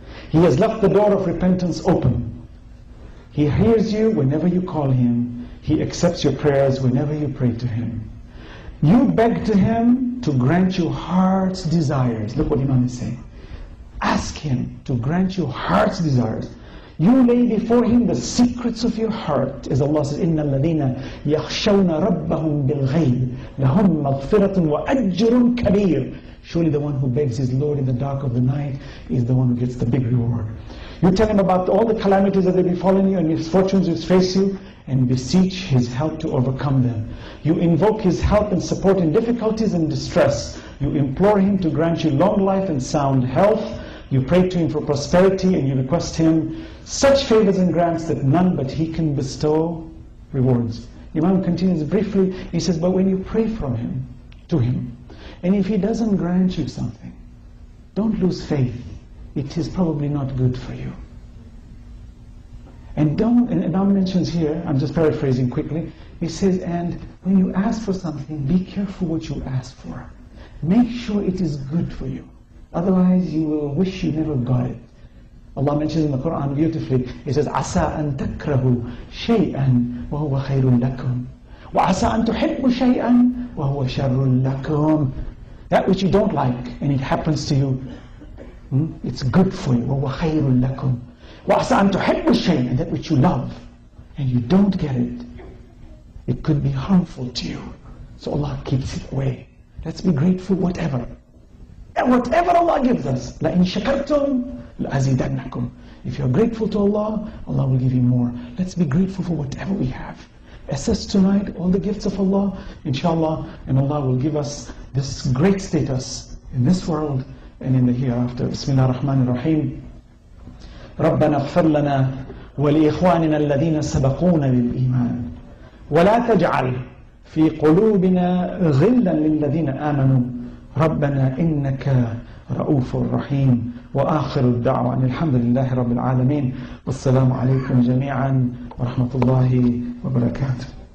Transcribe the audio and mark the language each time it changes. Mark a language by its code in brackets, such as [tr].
[en] He has left the door of repentance open. He hears you whenever you call Him. He accepts your prayers whenever you pray to Him. You beg to Him to grant you heart's desires. Look what Imam is saying. Ask Him to grant you heart's desires. You lay before Him the secrets of your heart. As Allah says, [ar] إِنَّ الَّذِينَ يَخْشَوْنَ رَبَّهُمْ بِالْغَيْبِ لَهُمْ مَغْفِرَةٌ وَأَجْرٌ كَبِيرٌ. [en] Surely the one who begs his Lord in the dark of the night is the one who gets the big reward. You tell Him about all the calamities that have befallen you and misfortunes which face you, and beseech His help to overcome them. You invoke His help and support in difficulties and distress. You implore Him to grant you long life and sound health. You pray to Him for prosperity, and you request Him such favors and grants that none but He can bestow rewards. Imam continues briefly, he says, but when you pray from Him, to Him, and if He doesn't grant you something, don't lose faith. It is probably not good for you. And Imam mentions here, I'm just paraphrasing quickly, he says, and when you ask for something, be careful what you ask for. Make sure it is good for you. Otherwise, you will wish you never got it. Allah mentions in the Quran beautifully, He says, [ar] عَسَىٰ أَن تَكْرَهُ شَيْئًا وَهُوَ خَيْرٌ لَكُمْ وَعَسَىٰ أَن تُحِبُّ شَيْئًا وَهُوَ شَرٌ لَكُمْ. [en] That which you don't like, and it happens to you, it's good for you. [ar] وَهُوَ خَيْرٌ لَكُمْ وَعَسَىٰ أَن تُحِبُّ شَيْئًا. [en] That which you love, and you don't get it, it could be harmful to you. So Allah keeps it away. Let's be grateful whatever. And whatever Allah gives us, [ar] لَإِن شَكَرْتُمْ لَأَزِيدَنَّكُمْ. [en] If you are grateful to Allah, Allah will give you more. Let's be grateful for whatever we have. Assess tonight all the gifts of Allah, inshallah, and Allah will give us this great status in this world and in the hereafter. [ar] Bismillah ar-Rahman ar-Rahim. رَبَّنَا اغْفَرْ لَنَا وَلِإِخْوَانِنَا الَّذِينَ سَبَقُونَ بِالْإِيمَانِ وَلَا تَجْعَلْ في قلوبنا غلا للذين آمنوا ربنا إنك رؤوف رحيم وآخر الدعوة أن الحمد لله رب العالمين والسلام عليكم جميعا ورحمة الله وبركاته.